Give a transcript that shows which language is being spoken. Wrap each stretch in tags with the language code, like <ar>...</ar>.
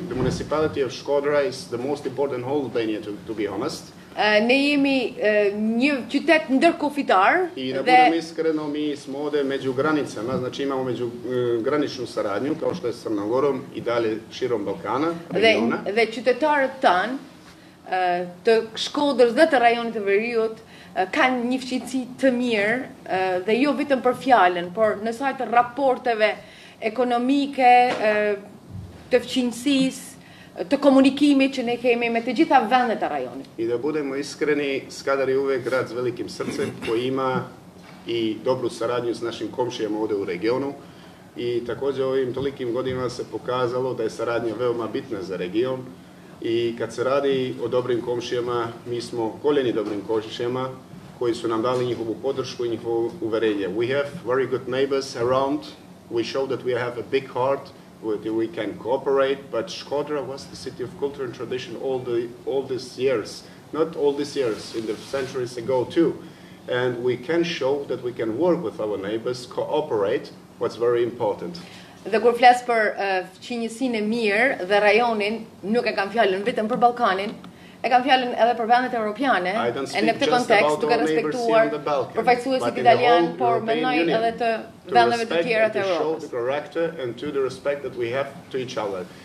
<en>The municipality of Shkodra is the most important whole Albania, to be honest.</en> <sq>Ne jemi një qytet ndërkufitar.</sq> <sr>I da budem iskreno, mi smo ovde među granicama, znači imamo među graničnu saradnju, kao što je s Crnogorom i dalje širom Balkana, regiona.</sr> <sq>Dhe qytetarët tan, të Shkodrës dhe të rajonit e Veriut, kanë një fqinësi të mirë, dhe jo vetëm për fjallën, por nësaj të raporteve ekonomike, të fqinësis, të komunikimi që ne kemi me të gjitha vendet e rajonit.</sq> <sr>I da budemo iskreni, Skadar je uvek grad s velikim srcem koji ima i dobru saradnju s našim komšijama ovde u regionu i takođe ovim tolikim godinama se pokazalo da je saradnja veoma bitna za region i kad se radi o dobrim komšijama, mi smo koljeni dobrim komšijama koji su nam dali njihovu podršku i njihovo uverenje.</sr> <en>We have very good neighbors around, we show that we have a big heart, we can cooperate, but Shkodra was the city of culture and tradition all these years, not all these years, in the centuries ago too. And we can show that we can work with our neighbors, cooperate, what's very important.</en> <sq>Dhe kur flasë për fqinjësinë e mirë dhe rajonin, nuk e kam fjallën vetëm për Balkanin, e kam fjallën edhe për vendet europiane, e në këtë kontekst duke respektuar përfaqësuesit italian, por mendoj edhe të vendeve të tjera të Europës.</sq> <en>To respect and to show the character and to the respect that we have to each other.</en>